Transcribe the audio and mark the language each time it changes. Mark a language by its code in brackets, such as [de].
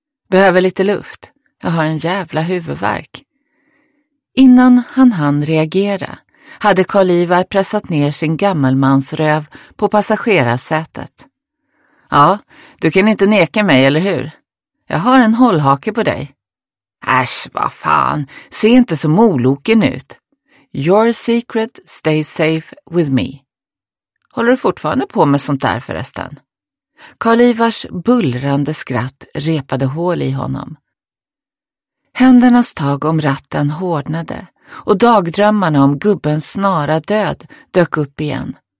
[sv] Behöver lite luft. Jag har en jävla huvudvärk. Innan han hann reagera hade Carl Ivar pressat ner sin gammelmansröv på passagerarsätet. Ja, du kan inte neka mig, eller hur? Jag har en hållhake på dig. Äsch, vad fan. Se inte så moloken ut. [en] Your secret stays safe with me. [sv] Håller du fortfarande på med sånt där förresten? Carl Ivars bullrande skratt repade hål i honom. Händernas tag om ratten hårdnade och dagdrömmarna om gubbens snara död dök upp igen.